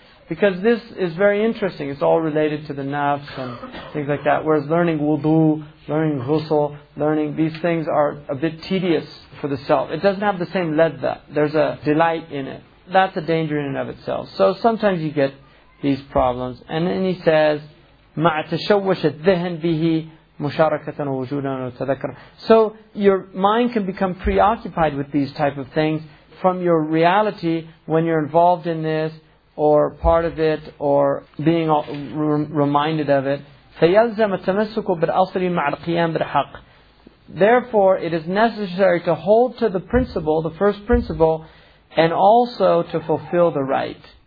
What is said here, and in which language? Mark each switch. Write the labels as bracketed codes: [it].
[en] Because this is very interesting. It's all related to the nafs and things like that. Whereas learning wudu, learning ghusl, learning these things are a bit tedious for the self. It doesn't have the same ladha. There's a delight in it. That's a danger in and of itself. So sometimes you get these problems. [ar] And then he says, مَعْ تَشَوَّشَ الذِّهْن بِهِ مُشَارَكَةً وَوُجُودًا وَتَذَكَرًا. [en] So your mind can become preoccupied with these type of things from your reality when you're involved in this, or part of it, or being reminded of it. [ar] فَيَلْزَمَ تَمَسُكُ بِالْأَصْلِ مَعَ الْقِيَامِ بِالْحَقِّ. [en] Therefore, it is necessary to hold to the principle, the first principle, and also to fulfill the right.